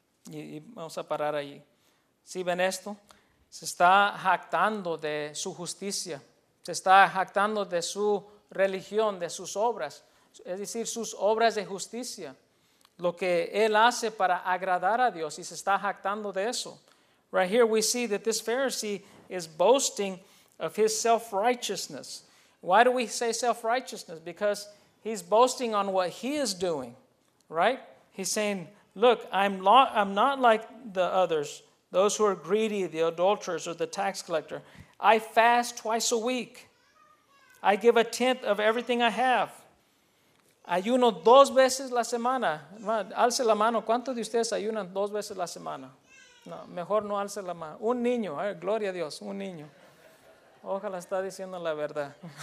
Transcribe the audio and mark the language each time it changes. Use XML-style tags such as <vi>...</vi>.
<es>Y vamos a parar ahí. ¿Sí ven esto? Se está jactando de su justicia. Se está jactando de su religión, de sus obras. Es decir, sus obras de justicia. Lo que él hace para agradar a Dios. Y se está jactando de eso.</es> <en>Right here we see that this Pharisee is boasting of his self-righteousness. Why do we say self-righteousness? Because he's boasting on what he is doing, right? He's saying, look, I'm not like the others, those who are greedy, the adulterers, or the tax collector. I fast twice a week. I give a tenth of everything I have.</en> <es>Ayuno dos veces la semana. Alce la mano. ¿Cuántos de ustedes ayunan dos veces la semana? No, mejor no alce la mano. Un niño. Ay, gloria a Dios, un niño. Ojalá está diciendo la verdad.</es>